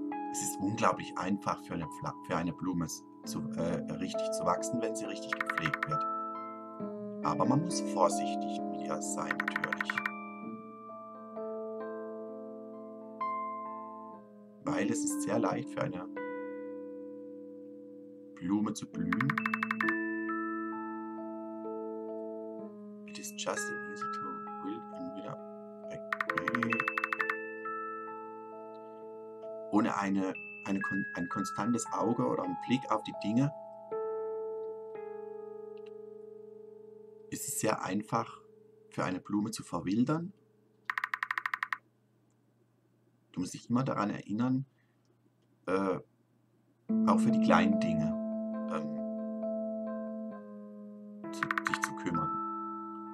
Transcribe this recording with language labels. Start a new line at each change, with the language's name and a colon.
German: Es ist unglaublich einfach für eine Blume richtig zu wachsen, wenn sie richtig gepflegt wird. Aber man muss vorsichtig mit ihr sein, natürlich. Weil es ist sehr leicht für eine Blume zu blühen.
English: It is just an easy to wilt and wither again.
German: Ohne ein konstantes Auge oder einen Blick auf die Dinge ist es sehr einfach für eine Blume zu verwildern. Du musst dich immer daran erinnern, auch für die kleinen Dinge sich zu kümmern.